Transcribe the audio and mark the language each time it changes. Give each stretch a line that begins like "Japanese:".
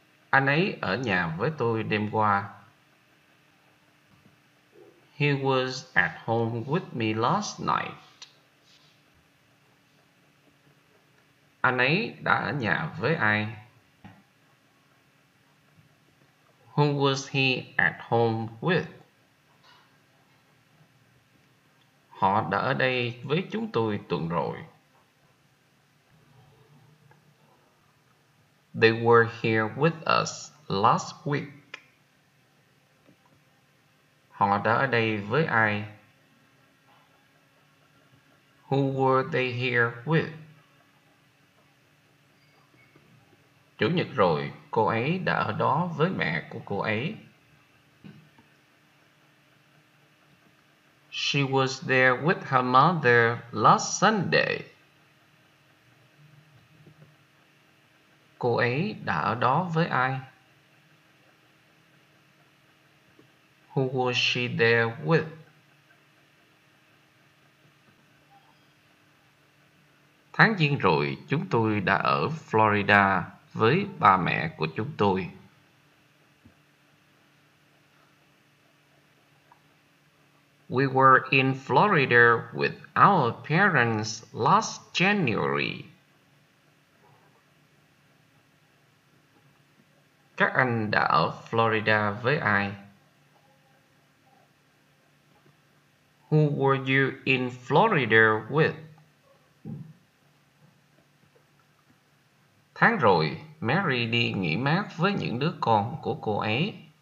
Vietnamese: Anh ấy ở nhà với tôi đêm qua.
English: He was at home with me last night.
Vietnamese: Anh ấy đã ở nhà với ai?
English: Who was he at home with?
Vietnamese: Họ đã ở đây với chúng tôi tuần rồi.
English: They were here with us last week.
Vietnamese: Họ đã ở đây với ai?
English: Who were they here with?
Vietnamese: Chủ nhật rồi, cô ấy đã ở đó với mẹ của cô ấy.
English: She was there with her mother last Sunday.
Vietnamese: Cô ấy đã ở đó với ai?
English: Who was she there with?
Vietnamese: Tháng giêng rồi, chúng tôi đã ở Florida với ba mẹ của chúng tôi.
English: We were in Florida with our parents last January.
Vietnamese: Các anh đã ở Florida với ai?
English: Who were you in Florida with?
Vietnamese: Tháng rồi, Mary đi nghỉ mát với những đứa con của cô ấy.